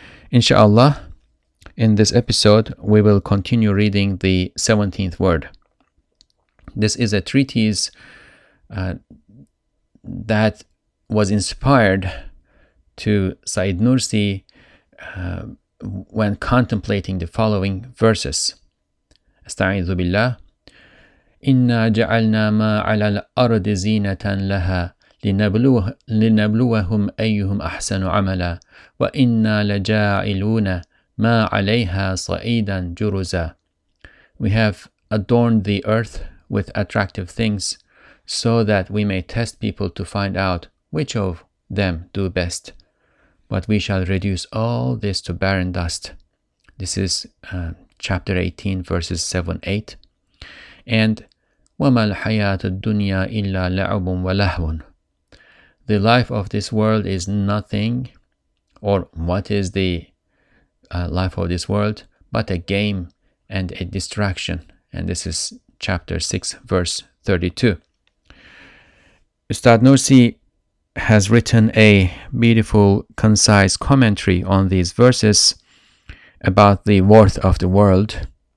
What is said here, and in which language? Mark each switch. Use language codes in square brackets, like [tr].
[en] Inshallah, in this episode, we will continue reading the 17th word. This is a treatise that was inspired to Said Nursi when contemplating the following verses. [ar] أستعيذ بالله إنا جعلنا ما على الأرض زينة لها لنبلوهم أيهم أحسن عملا وإنا لجاعلون ما عليها صعيدا جرزا. [en] We have adorned the earth with attractive things so that we may test people to find out which of them do best. But we shall reduce all this to barren dust. This is chapter 18, verses 7-8. [ar] And وَمَا الْحَيَاةُ الدُّنْيَا إِلَّا لَعُبٌ وَلَهْوٌ. [en] The life of this world is nothing, or what is the life of this world, but a game and a distraction. And this is chapter 6, verse 32. Ustad Nursi has written a beautiful, concise commentary on these verses about the worth of the world.